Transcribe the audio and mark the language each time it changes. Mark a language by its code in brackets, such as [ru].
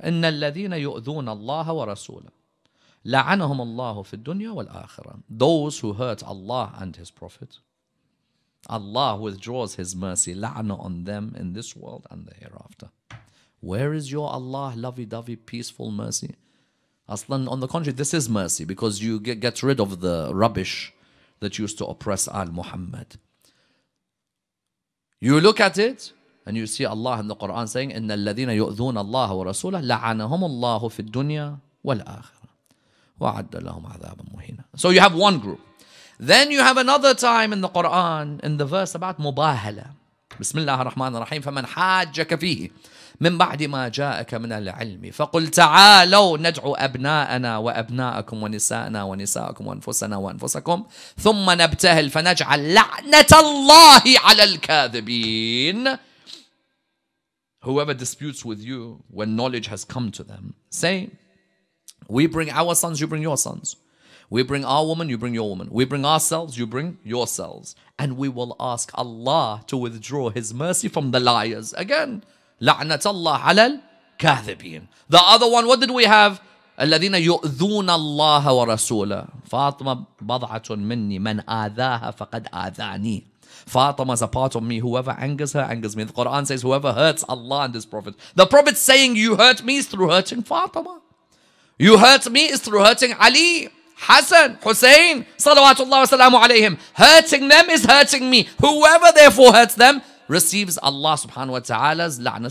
[ar] إِنَّ الَّذِينَ يُؤْذُونَ اللَّهَ وَرَسُولَهُ لعنهم الله في الدنيا والآخرة. [en] Those who hurt Allah and His Prophet, Allah withdraws His mercy, la'na on them in this world and the hereafter. Where is your Allah, lovey-dovey, peaceful mercy? Aslan, on the contrary, this is mercy because you get rid of the rubbish that used to oppress Al-Muhammad. You look at it and you see Allah in the Quran saying, [ar] إن الذين يؤذون الله ورسوله لعنهم الله في الدنيا والآخرة وعد لهم عذابا مهينا. [en] So you have one group. Then you have another time in the Quran, in the verse about مباهلة. [ar] بسم الله الرحمن الرحيم فمن حاجك فيه من بعد ما جاءك من العلم فقل تعالوا ندعو أبناءنا وأبناءكم ونساءنا ونساءكم وأنفسنا وأنفسكم ثم نبتهل فنجعل لعنة الله على الكاذبين. [en] Whoever disputes with you when knowledge has come to them, say, we bring our sons, you bring your sons. We bring our woman, you bring your woman. We bring ourselves, you bring yourselves. And we will ask Allah to withdraw His mercy from the liars. [ar] Again, لعنت الله على الكاذبين. [en] The other one, what did we have? [ar] الذين يؤذون الله ورسوله. فاطمة بضعة مني من آذاها فقد آذاني. [en] Fatima is a part of me. Whoever angers her, angers me. The Quran says, whoever hurts Allah and His Prophet. The Prophet saying, you hurt me is through hurting Fatima. You hurt me is through hurting Ali, Hassan, Hussein, salawatullahi wa salamu alayhim. Hurting them is hurting me. Whoever therefore hurts them receives Allah subhanahu wa ta'ala's la'na.